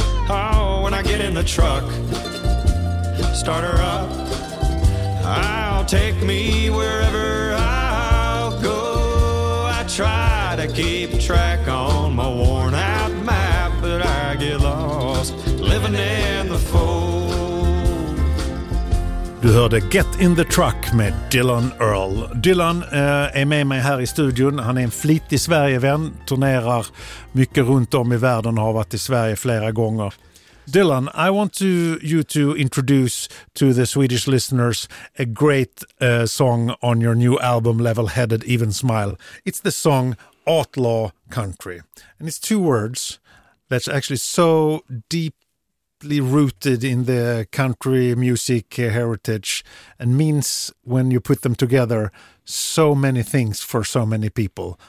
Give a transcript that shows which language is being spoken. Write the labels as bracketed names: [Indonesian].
[English] Oh, when I get in the truck, start her up, I'll take me wherever I'll go. I try to keep track on my worn out map, but I get lost living in the fold. [Swedish] Du hörde Get in the Truck med Dylan Earl. Dylan är med mig här i studion. Han är en flitig Sverigevän, turnerar mycket runt om i världen och har varit i Sverige flera gånger. [English] Dylan, I want you to introduce to the Swedish listeners a great song on your new album, Level Headed, Even Smile. It's the song Outlaw Country. And it's two words that's actually so deeply rooted in the country music heritage and means, when you put them together, so many things for so many people.